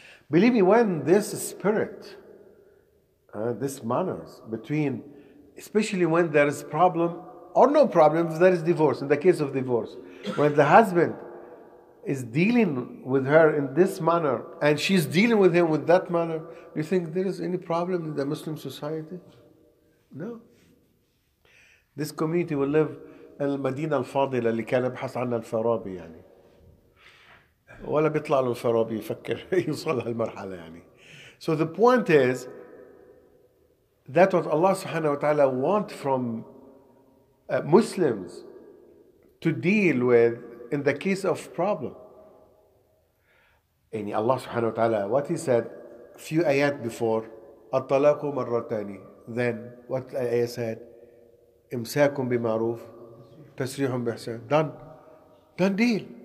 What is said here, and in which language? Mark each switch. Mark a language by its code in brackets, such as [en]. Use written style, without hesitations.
[en] Believe me, when this spirit, this manners between, especially when there is problem or no problem, if there is divorce, in the case of divorce, when the husband is dealing with her in this manner and she's dealing with him with that manner, do you think there is any problem in the Muslim society? No. This community will live in [ar] المدينة الفاضلة اللي كان يبحث عنها الفارابي يعني. ولا بيطلع له الفارابي يفكر يوصل هالمرحلة يعني. [en] So the point is that what Allah subhanahu wa ta'ala want from Muslims to deal with in the case of problem. [ar] يعني الله سبحانه وتعالى [en] what he said few ayat before [ar] الطلاق مرتان [en] then what the ayah said [ar] امساك بمعروف تسريح بإحسان [en] done deal